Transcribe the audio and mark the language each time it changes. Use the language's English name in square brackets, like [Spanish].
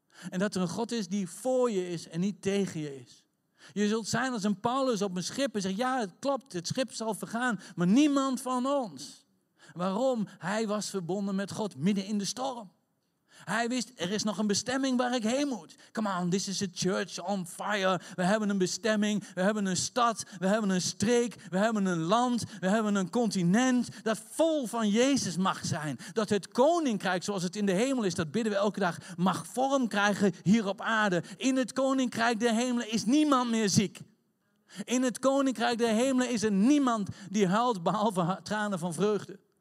[Dutch] En dat er een God is die voor je is en niet tegen je is. Je zult zijn als een Paulus op een schip en zegt, ja, het klopt, het schip zal vergaan, maar niemand van ons. Waarom? Hij was verbonden met God midden in de storm. Hij wist, er is nog een bestemming waar ik heen moet. [English] Come on, this is a church on fire. [Dutch] We hebben een bestemming, we hebben een stad, we hebben een streek, we hebben een land, we hebben een continent dat vol van Jezus mag zijn. Dat het koninkrijk, zoals het in de hemel is, dat bidden we elke dag, mag vorm krijgen hier op aarde. In het koninkrijk der hemelen is niemand meer ziek. In het koninkrijk der hemelen is er niemand die huilt behalve tranen van vreugde.